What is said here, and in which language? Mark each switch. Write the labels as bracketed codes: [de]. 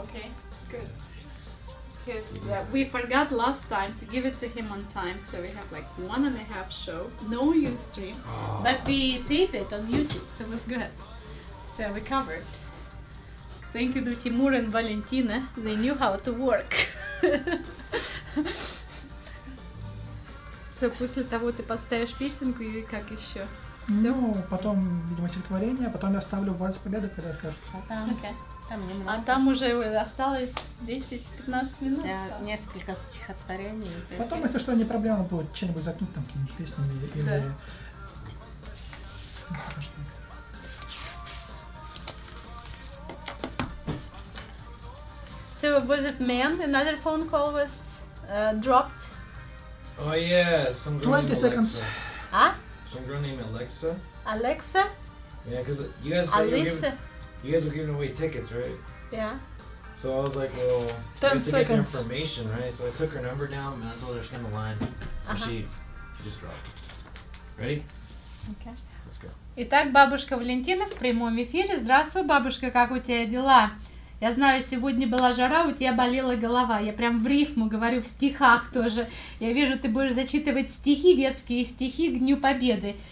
[en] Okay, good. Because we forgot last time to give it to him on time, so we have like 1.5 show, no Ustream, but we tape it on YouTube, so it was good. So we covered. Thank you to Timur and Valentina, they knew how to work. So [ru] после того, ты поставишь песенку и как еще? Все? Ну, потом, видимо, стихотворение, потом я ставлю вальс победы, когда скажешь. А там уже осталось 10-15 минут. Несколько стихотворений. Потом, если что, не проблема будет что-нибудь заткнуть там какими-нибудь песнями или. Да. [en] So was it man? Another phone call was dropped. Oh yeah, some girl 20 named seconds. Alexa. Huh? Some girl named Alexa. Alexa? Yeah, because you guys said you guys were giving away tickets, right? Yeah. So I was like, well, 10 seconds. Get the information, right? So I took her number down, and I told her to stand the line. And she just dropped. Ready? Okay. Let's go. [ru] Итак, бабушка Валентина в прямом эфире. Здравствуй, бабушка, как у тебя дела? Я знаю, сегодня была жара, у тебя болела голова. Я прям в рифму говорю, в стихах тоже. Я вижу, ты будешь зачитывать стихи, детские стихи к Дню Победы.